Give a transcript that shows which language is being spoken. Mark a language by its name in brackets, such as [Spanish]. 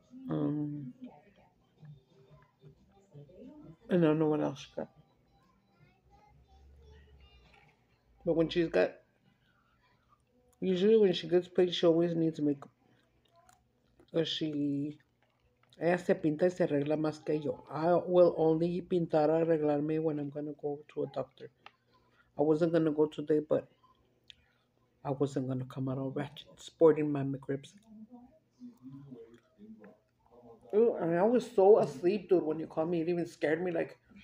[English] And I don't know what else she got. But when she's got... Usually when she gets paid, she always needs makeup. So she... [Spanish] Ella se pinta y se arregla más que yo. [English] I will only [Spanish] pintar arreglarme [English] when I'm going to go to a doctor. I wasn't going to go today, but... I wasn't going to come out all ratchet sporting my MCRIB'S. And I was so asleep, dude, when you called me. It even scared me, like...